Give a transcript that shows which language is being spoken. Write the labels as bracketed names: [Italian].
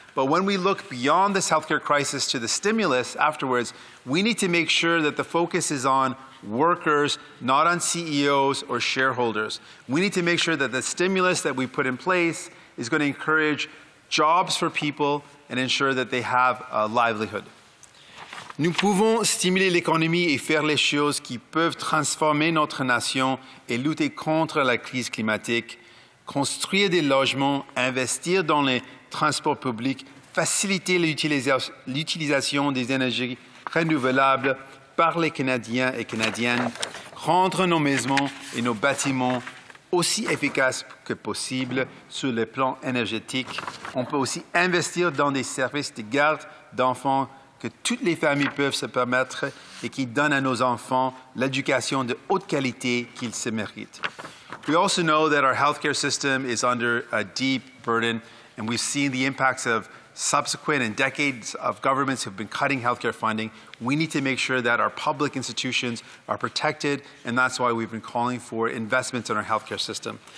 [English] But when we look beyond this healthcare crisis to the stimulus afterwards, we need to make sure that the focus is on workers, not on CEOs or shareholders. We need to make sure that the stimulus that we put in place is going to encourage jobs for people and ensure that they have a livelihood. [French] Nous pouvons stimuler l'économie et faire les choses qui peuvent transformer notre nation et lutter contre la crise climatique, construire des logements, investir dans les transports publics, faciliter l'utilisation des énergies renouvelables par les Canadiens et Canadiennes, rendre nos maisons et nos bâtiments aussi efficaces que possible sur le plan énergétique. On peut aussi investir dans des services de garde d'enfants que toutes les familles peuvent se permettre et qui donnent à nos enfants l'éducation de haute qualité qu'ils se méritent. [English] We also know that our healthcare system is under a deep burden, and we've seen the impacts of subsequent and decades of governments who have been cutting healthcare funding. We need to make sure that our public institutions are protected, and that's why we've been calling for investments in our healthcare system.